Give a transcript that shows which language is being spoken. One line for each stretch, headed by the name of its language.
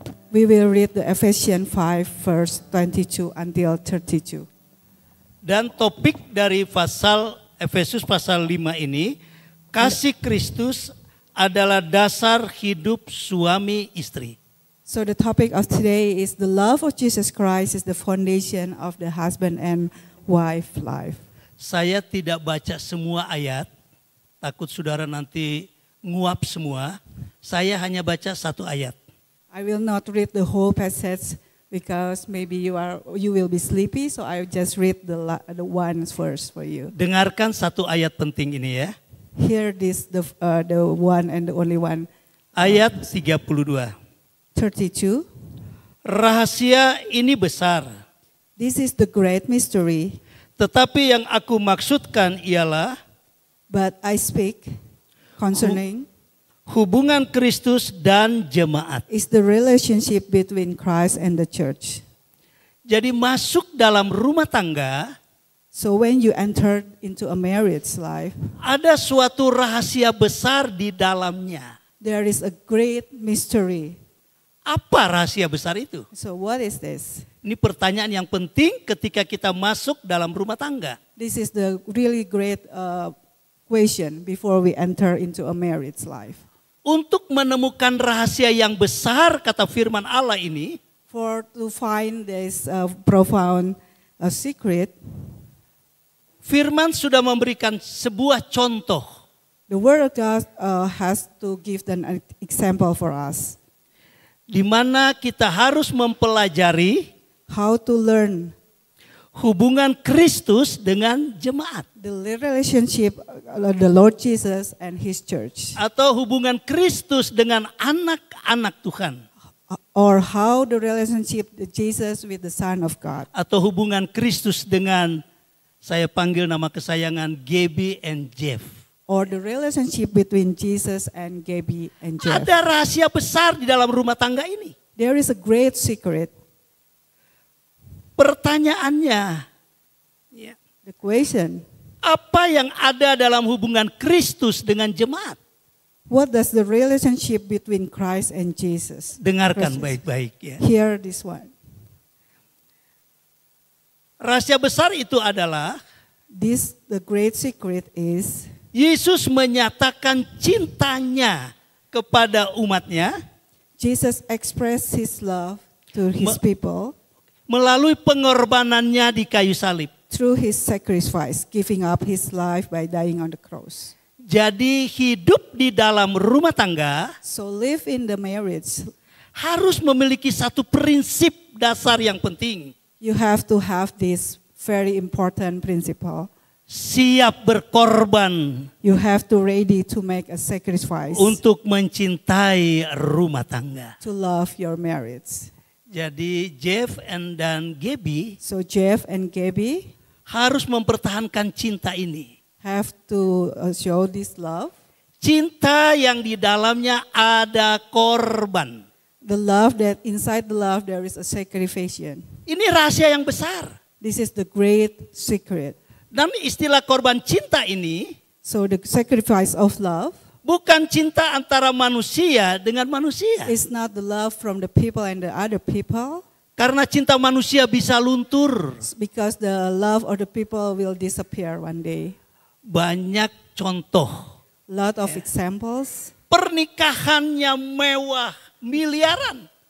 English: We will read the Ephesians 5 verse 22 until 32.
Indonesian: Dan topik dari pasal Efesus pasal 5 ini, kasih Kristus adalah dasar hidup suami istri.
English: So the topic of today is the love of Jesus Christ is the foundation of the husband and wife life.
Indonesian: Saya tidak baca semua ayat, takut saudara nanti nguap semua. Saya hanya baca satu ayat.
English: I will not read the whole passage because maybe you will be sleepy, so I just read the one verse for you.
Indonesian: Dengarkan satu ayat penting ini ya.
English: Hear this the one and the only one.
Indonesian: Ayat 32. 32. Rahasia ini besar.
English: This is the great mystery.
Indonesian: Tetapi yang aku maksudkan ialah.
English: But I speak concerning.
Indonesian: Hubungan Kristus dan jemaat.
English: Is the relationship between Christ and the church.
Indonesian: Jadi masuk dalam rumah tangga.
English: So when you enter into a marriage life.
Indonesian: Ada suatu rahasia besar di dalamnya.
English: There is a great mystery.
Indonesian: Apa rahasia besar itu?
English: So what is this?
Indonesian: Ini pertanyaan yang penting ketika kita masuk dalam rumah tangga.
English: This is the really great question before we enter into a marriage life.
Indonesian: Untuk menemukan rahasia yang besar kata firman Allah ini,
English: for to find this profound secret,
Indonesian: firman sudah memberikan sebuah contoh.
English: The word of God has to give an example for us.
Indonesian: Di mana kita harus mempelajari
English: how to learn
Indonesian: hubungan Kristus dengan jemaat.
English: The relationship of the Lord Jesus and his church.
Indonesian: Atau hubungan Kristus dengan anak-anak Tuhan.
English: Or how the relationship of Jesus with the Son of God.
Indonesian: Atau hubungan Kristus dengan saya panggil nama kesayangan Gabby and Jeff.
English: Or the relationship between Jesus and Gabby and Jeff.
Indonesian: Ada rahasia besar di dalam rumah tangga ini.
English: There is a great secret.
Indonesian: Pertanyaannya,
English: the question,
Indonesian: apa yang ada dalam hubungan Kristus dengan jemaat?
English: What does the relationship between Christ and Jesus?
Indonesian: Dengarkan baik-baik ya.
English: Hear this one.
Indonesian: Rahasia besar itu adalah,
English: this the great secret is,
Indonesian: Yesus menyatakan cintanya kepada umatnya.
English: Jesus expressed his love to his people.
Indonesian: Melalui pengorbanannya di kayu salib.
English: Through his sacrifice, giving up his life by dying on the cross.
Indonesian: Jadi hidup di dalam rumah tangga.
English: So live in the marriage.
Indonesian: Harus memiliki satu prinsip dasar yang penting.
English: You have to have this very important principle.
Indonesian: Siap berkorban.
English: You have to ready to make a sacrifice.
Indonesian: Untuk mencintai rumah tangga.
English: To love your marriage.
Indonesian: Jadi Jeff and dan Gabby,
English: so Jeff and Gabby
Indonesian: harus mempertahankan cinta ini.
English: Have to show this love.
Indonesian: Cinta yang di dalamnya ada korban.
English: The love that inside the love there is a sacrifice.
Indonesian: Ini rahasia yang besar.
English: This is the great secret.
Indonesian: Dan istilah korban cinta ini,
English: so the sacrifice of love,
Indonesian: bukan cinta antara manusia dengan manusia.
English: It's not the love from the people and the other people.
Indonesian: Karena cinta manusia bisa luntur.
English: Because the love of the people will disappear one day.
Indonesian: Banyak contoh.
English: Lot of examples.
Indonesian: Pernikahannya mewah, miliaran.